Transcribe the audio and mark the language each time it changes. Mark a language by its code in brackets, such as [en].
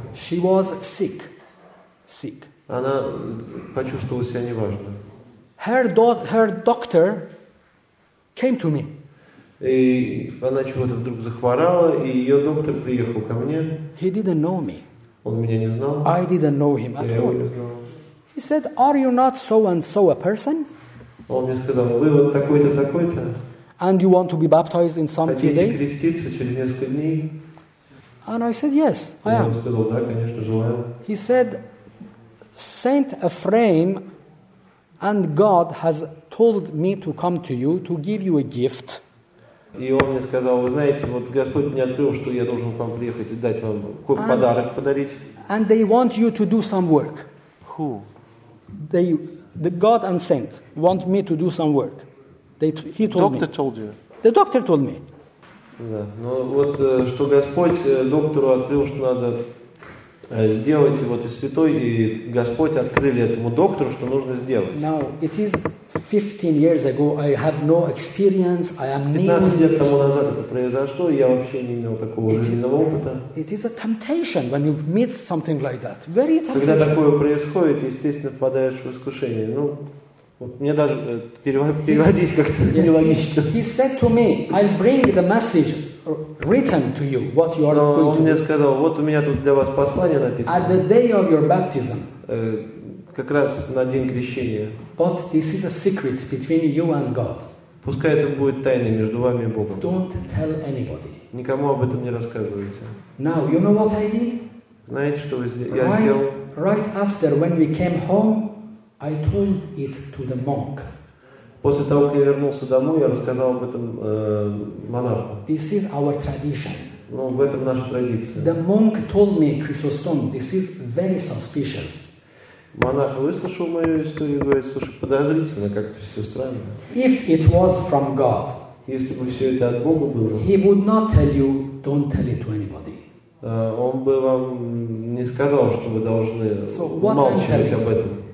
[en] she was sick. Sick. [ru] Она почувствовала себя неважно. [en] Her doctor came to me. [ru] И она чего-то вдруг захворала, и ее доктор приехал ко мне. [en] He didn't know me. [ru] Он меня не знал. [en] I didn't know him at all. [ru] Я его не знал. [en] He said, "Are you not so and so a person?" [ru] Он мне сказал, вы вот такой-то, такой-то. [en] And you want to be baptized in some few days? [ru] Хотите креститься через несколько дней? [en] And I said, yes, I am. [ru] Сказал, да, конечно, желаю. [en] He said, Saint Ephraim and God has told me to come to you to give you a gift. [ru] И он мне сказал, вы знаете, вот Господь мне открыл, что я должен к вам приехать и дать вам какой-то подарок подарить. [en] And they want you to do some work. Who? The God and Saint want me to do some work. He told me. Doctor told you. The doctor told me. [ru] Да, но вот что Господь доктору открыл, что надо сделать, вот и святой, и Господь открыли этому доктору, что нужно сделать. [en] Now it is 15 years ago. I have no experience. I am new. [ru] 15 лет тому назад это произошло. Я вообще не имел такого жизненного опыта. [en] It is a temptation when you meet something like that. Very temptation. [ru] Когда такое происходит, естественно, впадаешь в искушение. Ну, вот мне даже переводить как-то нелогично. [en] He said to me, "I'll bring the message written to you. What you are going to do." [ru] Он мне сказал, вот у меня тут для вас послание написано. [en] At the day of your baptism. [ru] Как раз на день крещения. [en] But this is a secret between you and God. [ru] Пускай это будет тайной между вами и Богом. [en] Don't tell anybody. [ru] Никому об этом не рассказывайте. [en] Now you know what I did. [ru] Знаете, что я сделал? [en] Right after when we came home, I told it to the monk. [ru] После того, как я вернулся домой, я рассказал об этом монаху. [en] This is our tradition. [ru] Ну, в этом наша традиция. [en] The monk told me, Chrysostom, this is very suspicious. [ru] Монах выслушал мою историю и говорит, слушай, подозрительно, как-то все странно. [en] If it was from God, [ru] если бы все это от Бога было, [en] he would not tell you, don't tell it to anybody. [ru] Он бы вам не сказал, что вы должны умалчивать об этом.